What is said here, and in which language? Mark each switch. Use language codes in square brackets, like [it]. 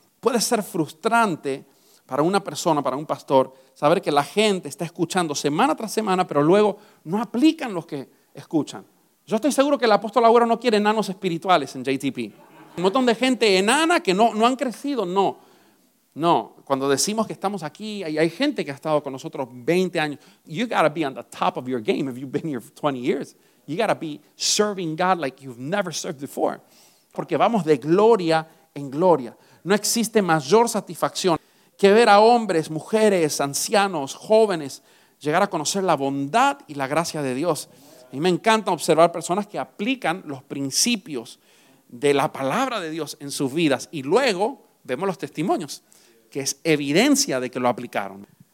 [es] Puede ser frustrante para una persona, para un pastor, saber que la gente está escuchando semana tras semana, pero luego no aplican lo que escuchan. Yo estoy seguro que el apóstol Agüero no quiere enanos espirituales en JTP. Un montón de gente enana que no han crecido, no. No, cuando decimos que estamos aquí, hay gente que ha estado con nosotros 20 años. [en] You gotta be on the top of your game if you've been here for 20 years. You gotta be serving God like you've never served before. [es] Porque vamos de gloria en gloria. No existe mayor satisfacción que ver a hombres, mujeres, ancianos, jóvenes llegar a conocer la bondad y la gracia de Dios. A mí me encanta observar personas que aplican los principios de la palabra de Dios en sus vidas y luego vemos los testimonios, que es evidencia de que lo aplicaron.